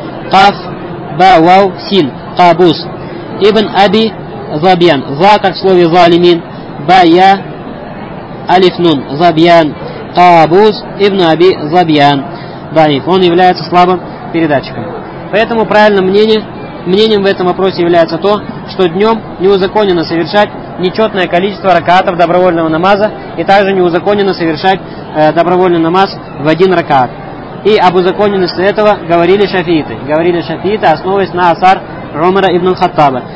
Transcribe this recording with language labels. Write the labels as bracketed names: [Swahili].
[Russian] Каф ба вау син. Кабус ибн Аби Злабьян. Зла, как в слове «залимин». Бая, алифнун, забьян. [Arabic] قابوس ابن أبي ظبيان ضعيف. [Russian] Он является слабым передатчиком. Поэтому правильным мнением в этом вопросе является то, что днем неузаконено совершать нечетное количество ракаатов добровольного намаза, и также неузаконено совершать добровольный намаз в один ракаат. И об узаконенности этого говорили шафииты. Говорили шафииты, основываясь на асар Умара ибн Хаттаба.